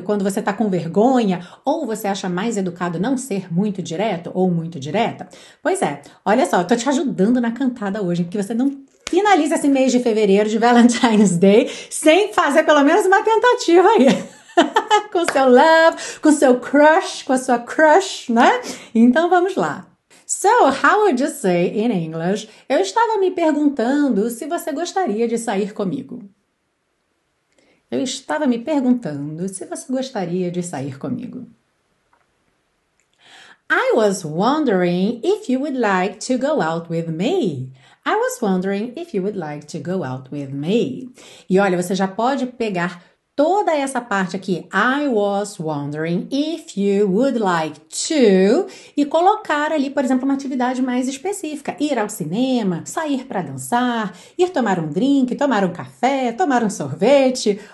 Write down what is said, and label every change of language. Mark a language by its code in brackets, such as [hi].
[pt] Quando você está com vergonha ou você acha mais educado não ser muito direto ou muito direta. Pois é, olha só, estou te ajudando na cantada hoje, porque você não finaliza esse mês de fevereiro de Valentine's Day sem fazer pelo menos uma tentativa aí. Com seu love, com seu crush, com a sua crush, né? Então vamos lá. [en] So, how would you say in English? [pt] Eu estava me perguntando se você gostaria de sair comigo. Eu estava me perguntando se você gostaria de sair comigo. [en] I was wondering if you would like to go out with me. I was wondering if you would like to go out with me. [pt] E olha, você já pode pegar toda essa parte aqui, [en] I was wondering if you would like to, [pt] e colocar ali, por exemplo, uma atividade mais específica, ir ao cinema, sair para dançar, ir tomar um drink, tomar um café, tomar um sorvete.